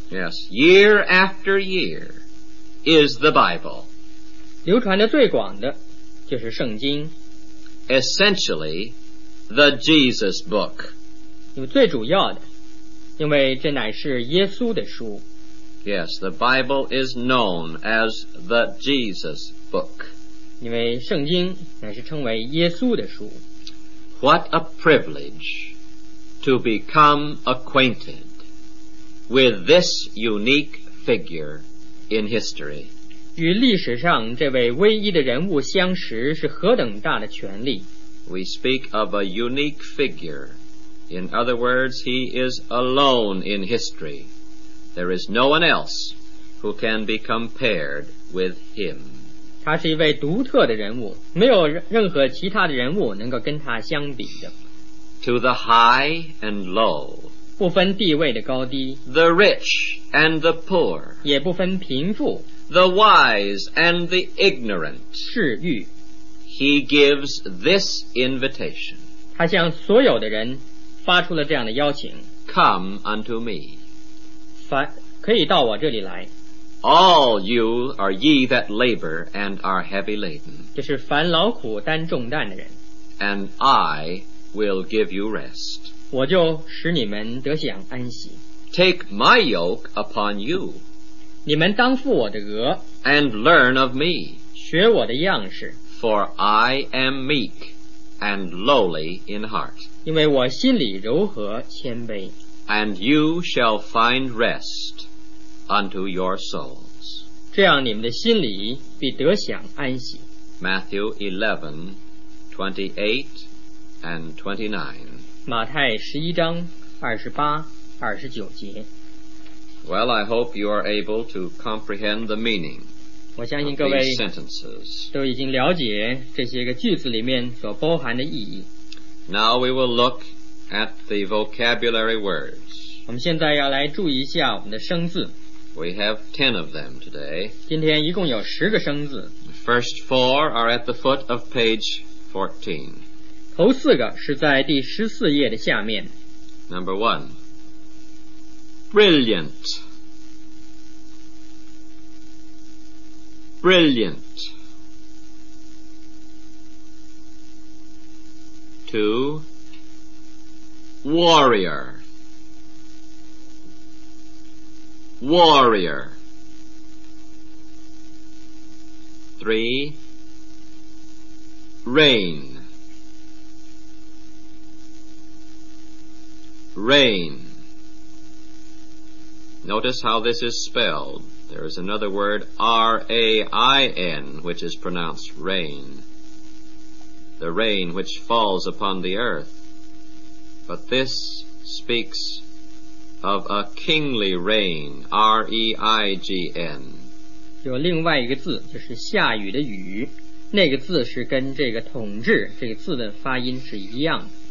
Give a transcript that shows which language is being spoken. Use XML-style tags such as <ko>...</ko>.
<en>Yes, year after year is the Bible.</en> <zh>流传的最广的就是圣经。</zh> <en>Essentially, the Jesus book.</en> <zh>最主要的，因为这乃是耶稣的书。</zh> <en>Yes, the Bible is known as the Jesus book.</en> <zh>因为圣经乃是称为耶稣的书。</zh> <en>What a privilege to become acquainted with this unique figure in history.</en> <zh>与历史上这位唯一的人物相识是何等大的权利。</zh> <en>We speak of a unique figure. In other words, he is alone in history. There is no one else who can be compared with him.</en> <zh>他是一位独特的人物，没有任何其他的人物能够跟他相比的。</zh> <en>To the high and low,</en> <zh>不分地位的高低，</zh> <en>the rich and the poor,</en> <zh>也不分贫富，</zh> <en>the wise and the ignorant,</en> <zh>世欲，</zh> <en>he gives this invitation.</en> <zh>他向所有的人发出了这样的邀请，</zh> <en>Come unto me.</en> <zh>可以到我这里来。</zh> <en>All you are ye that labor and are heavy laden.</en> <zh>这是凡劳苦担重担的人。</zh> <en>And I will give you rest.</en> <zh>我就使你们得享安息。</zh> <en>Take my yoke upon you.</en> <zh>你们当负我的轭。</zh> <en>And learn of me.</en> <zh>学我的样式。</zh> <en>For I am meek and lowly in heart.</en> <zh>因为我心里柔和谦卑。</zh> <en>And you shall find rest unto your souls.</en> <zh>这样你们的心里必得享安息。</zh> <en>Matthew 11:28-29.</en> <zh>马太十一章二十八、二十九节。</zh> <en>Well, I hope you are able to comprehend the meaning.</en> <zh>我相信各位都已经了解这些个句子里面所包含的意义。</zh> <en>Now we will look. At the vocabulary words.</en> <zh>我们现在要来注意一下我们的生字。</zh> <en>We have 10 of them today.</en> <zh>今天一共有十个生字。</zh> <en>The first four are at the foot of page 14.</en> <zh>头四个是在第十四页的下面。</zh> <en>Number one. Brilliant. Brilliant. Two. Warrior, warrior. Three, rain, rain. Notice how this is spelled. There is another word, R-A-I-N, which is pronounced rain. The rain which falls upon the earth. But this speaks of a kingly rain, R-E-I-G-N.</en> <zh>有另外一个字，就是下雨的雨，那个字是跟这个统治这个字的发音是一样的。</zh>